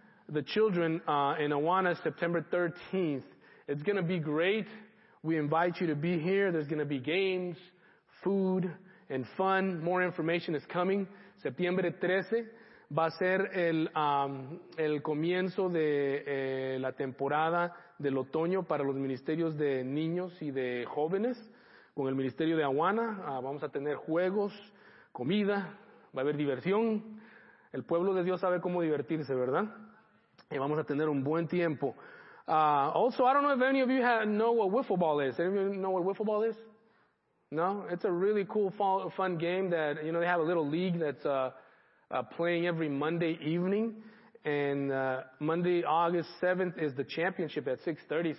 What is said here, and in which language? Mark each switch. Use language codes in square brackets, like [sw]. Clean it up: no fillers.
[en] The children in Awana, September 13th. It's going to be great. We invite you to be here. There's going to be games, food, and fun. More information is coming. September 13th [es] va a ser el comienzo de la temporada del otoño para los ministerios de niños y de jóvenes. Con el ministerio de Awana vamos a tener juegos, comida, va a haber diversión. El pueblo de Dios sabe cómo divertirse, ¿verdad? Y vamos a tener un buen tiempo. [en] Also, I don't know if any of you know what wiffle ball is. Any of you know what wiffle ball is? No? It's a really cool, fun game that, you know, they have a little league that's playing every Monday evening. And Monday, August 7th is the championship at 6:30.